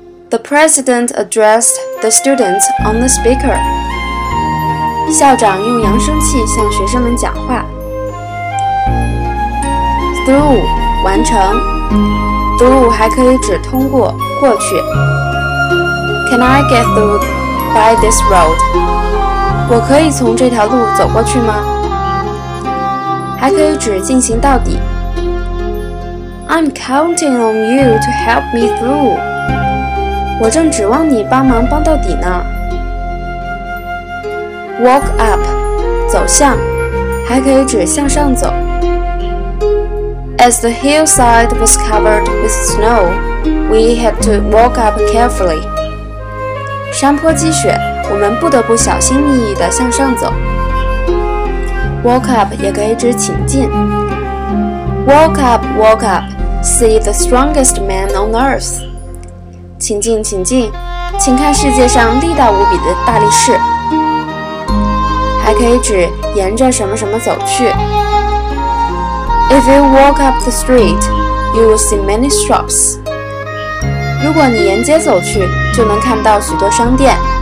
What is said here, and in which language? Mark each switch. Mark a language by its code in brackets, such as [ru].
[en] The president addressed the students on the speaker. [zh] 校长用扬声器向学生们讲话。 Through 完成。Through 还可以指通过、过去。 [en] Can I get through by this road? [zh] 我可以从这条路走过去吗？还可以指进行到底。 [en] I'm counting on you to help me through. [zh] 我正指望你帮忙帮到底呢。 [en] Walk up， 走向， [zh] 还可以指向上走。 [en] As the hillside was covered with snow, we had to walk up carefully. [zh] 山坡积雪，我们不得不小心翼翼地向上走。 Walk up 也可以指请进。 [en] Walk up, walk up, see the strongest man on earth. [zh] 请进，请进，请看世界上力大无比的大力士。还可以指沿着什么什么走去。 [en] If you walk up the street, you will see many shops. [zh] 如果你沿街走去，就能看到许多商店。